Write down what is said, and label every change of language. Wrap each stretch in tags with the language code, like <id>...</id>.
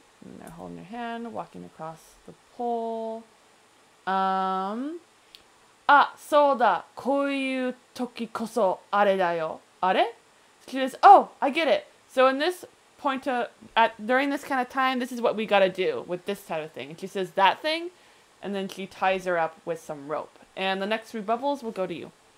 <en>And they're holding their hand, walking across the pole.</en> <ja>あ、そうだ。こういう時こそあれだよ。あれ?</ja> <en>She says, oh, I get it. So in this point of, at, during this kind of time, this is what we gotta do with this type of thing. And she says, that thing. And then she ties her up with some rope. And the next three bubbles will go to you.</en>